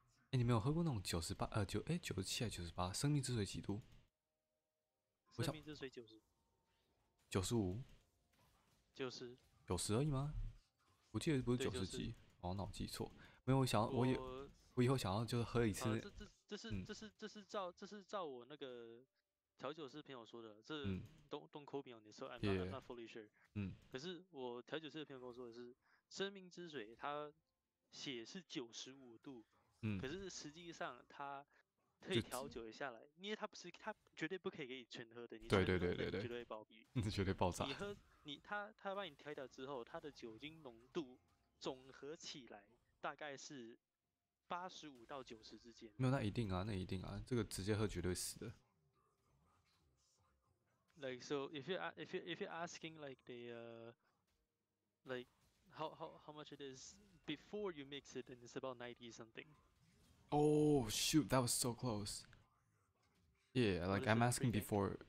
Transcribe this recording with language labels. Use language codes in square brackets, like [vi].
[zh] 你没有喝过那种九十七还九十八生命之水几度？生命之水九十。九十五。九十。九十而已吗？我记得不是九十几，哦，那我记错。没有，我想要，我以后想要就是喝一次。这是照我那个调酒师朋友说的，这 [en] don't call me on this, so I'm not fully sure。 [zh] 嗯。可是我调酒师的朋友跟我说的是，生命之水它写是九十五度。可是实际上他可以调酒一下来，因为他不是他绝对不可以给你全喝的，你对对对对对，绝对暴毙，绝对爆炸。你喝你他帮你调一调之后，他的酒精浓度总和起来大概是85到90之间。没有，那一定啊，那一定啊，这个直接喝绝对死的。 [en] Like so, if you asking like the like how much it is before you mix it, and it's about 90 something. Oh shoot, that was so close. Yeah, like I'm asking before.